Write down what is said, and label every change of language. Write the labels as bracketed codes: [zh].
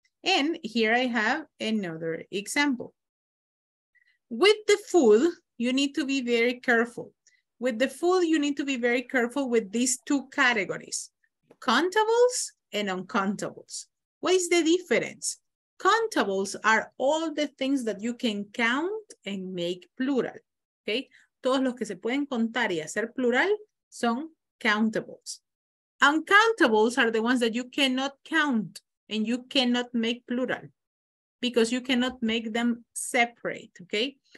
[en] And here I have another example. With the food, you need to be very careful. With the food, you need to be very careful with these two categories, countables and uncountables. What is the difference? Countables are all the things that you can count and make plural, okay? [es] Todos los que se pueden contar y hacer plural son countables. [en] Uncountables are the ones that you cannot count and you cannot make plural because you cannot make them separate, okay?